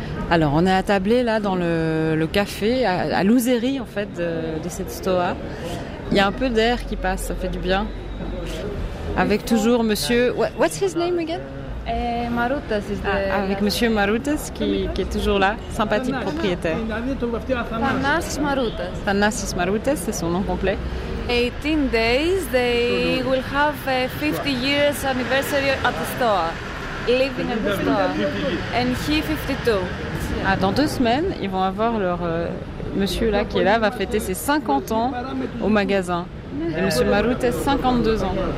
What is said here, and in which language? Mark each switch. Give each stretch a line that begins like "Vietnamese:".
French: Alors, on est attablé là dans le café, à l'ouzerie en fait de cette stoa. Il y a un peu d'air qui passe, ça fait du bien. Avec toujours monsieur.
English: What's his name again?
French: Maroutas. Avec monsieur Maroutas qui est toujours là, sympathique propriétaire. Thanasis Maroutas. Thanasis Maroutas, c'est son nom complet.
English: 18 days, they will have a 50 years anniversary at the stoa. Living at the stoa. And he 52.
French: Ah, dans deux semaines, ils vont avoir leur monsieur là qui est là, va fêter ses 50 ans au magasin. Et monsieur Marout est 52 ans.